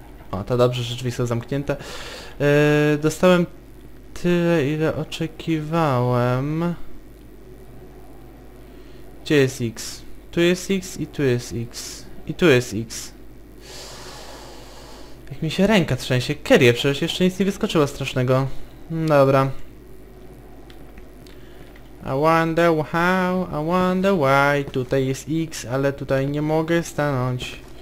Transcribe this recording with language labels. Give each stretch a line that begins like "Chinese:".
Polish: O, to dobrze, że drzwi są zamknięte. Dostałem tyle, ile oczekiwałem. Gdzie jest X? Tu jest X i tu jest X. I tu jest X. Jak mi się ręka trzęsie. Kerie, przecież jeszcze nic nie wyskoczyło strasznego. Dobra.
English: I wonder how, I wonder why.
Polish: Tutaj jest X, ale tutaj nie mogę stanąć.